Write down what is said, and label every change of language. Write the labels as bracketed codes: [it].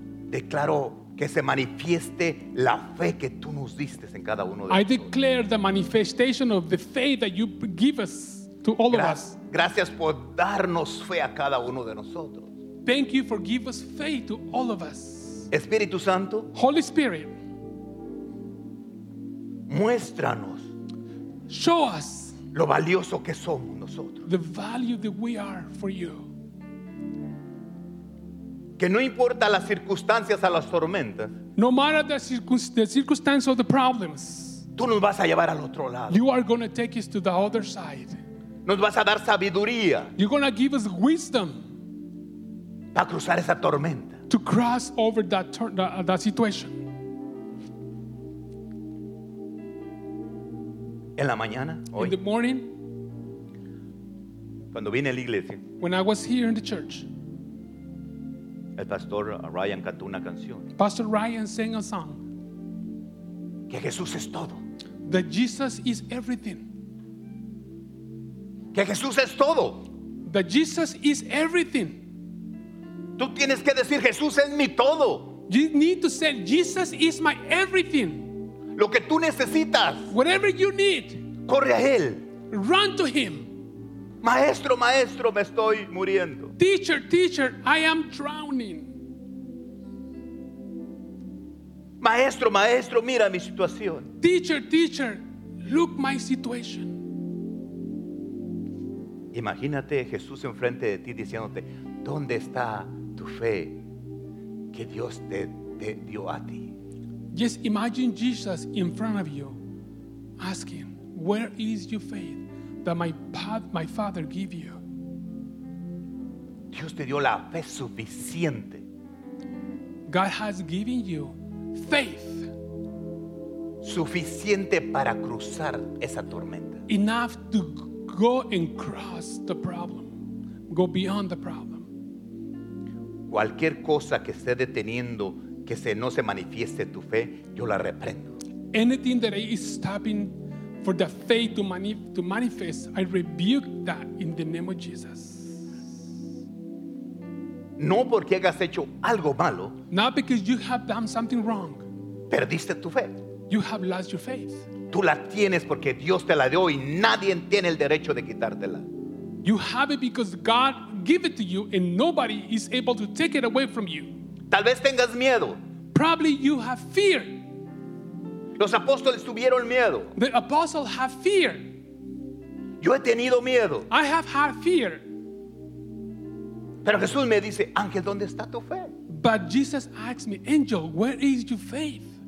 [es] Declaro que se manifieste la fe que tú nos diste en cada uno de nosotros. [en] I declare the manifestation of the faith that you give us to all of us. [es] Gracias por darnos fe a cada uno de nosotros. [en] Thank you for giving us faith to all of us. [es] Espíritu Santo, [en] Holy Spirit, [es] muéstranos, [en] show us [es] lo valioso que somos nosotros. [en] The value that we are for you. [es] Que no importa las circunstancias a las tormentas. [en] No matter the circumstances of the problems. [es] Tú nos vas a llevar al otro lado. [en] You are going to take us to the other side. [es] Nos vas a dar sabiduría. [en] You're going to give us wisdom. [es] Para cruzar esa tormenta. [en] To cross over that situation. [es] En la mañana, hoy. [en] In the morning. [es] Cuando vine a la iglesia. [en] When I was here in the church. [es] El pastor Ryan cantó una canción. [en] Pastor Ryan sang a song. [es] Que Jesús es todo. [en] That Jesus is everything. [es] Que Jesús es todo. [en] That Jesus is everything. [es] Tú tienes que decir Jesús es mi todo. [en] You need to say Jesus is my everything. [es] Lo que tú necesitas. [en] Whatever you need. [es] Corre a él. [en] Run to him. [es] Maestro, maestro, me estoy muriendo. [en] Teacher, teacher, I am drowning. [es] Maestro, maestro, mira mi situación. [en] Teacher, teacher, look my situation. [es] Imagínate Jesús enfrente de ti diciéndote, ¿dónde está tu fe que Dios te dio a ti? [en] Just imagine Jesus in front of you asking, where is your faith that my father gave you? [es] Dios te dio la fe suficiente. [en] God has given you faith [es] suficiente para cruzar esa tormenta. [en] Enough to go and cross the problem, go beyond the problem. [es] Cualquier cosa que esté deteniendo que se no se manifieste tu fe, yo la reprendo. [en] Anything that is stopping for the faith to manifest, I rebuke that in the name of Jesus. [es] No porque hayas hecho algo malo. [en] Not because you have done something wrong. [es] Perdiste tu fe. [en] You have lost your faith. [es] Tú la tienes porque Dios te la dio y nadie tiene el derecho de quitártela. [en] You have it because God gave it to you and nobody is able to take it away from you. [es] Tal vez tengas miedo. [en] Probably you have fear. [es] Los apóstoles tuvieron miedo. [en] The apostles have fear. [es] Yo he tenido miedo. [en] I have had fear. [es] Pero Jesús me dice, ángel, ¿dónde está tu fe? [en] But Jesus asked me, angel, where is your faith?